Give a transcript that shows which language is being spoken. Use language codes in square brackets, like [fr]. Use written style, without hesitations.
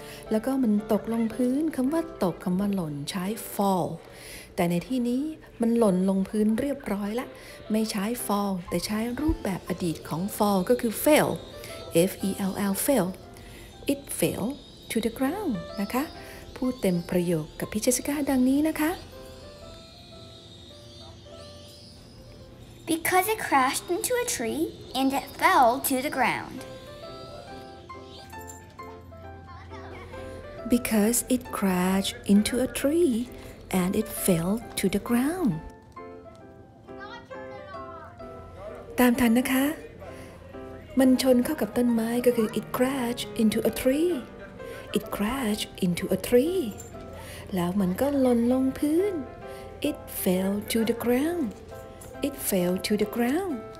[th] แล้วก็มันตกลงพื้นคำว่าตกคำว่าหล่นใช้ fallแต่ในที่นี้มันหล่นลงพื้นเรียบร้อยละไม่ใช้ fall แต่ใช้รูปแบบอดีตของ fall ก็คือ fell f e l l fell [en] it fell to the ground [th] นะคะพูดเต็มประโยคกับพี่เจสสิก้าดังนี้นะคะ [en] because it crashed into a tree and it fell to the ground because it crashed into a treeAnd it fell to the ground. [th] ตามทันนะคะมันชนเข้ากับต้นไม้ก็คือ [en] it crashed into a tree. It crashed into a tree. [th] แล้วมันก็หล่นลงพื้น [en] It fell to the ground. It fell to the ground.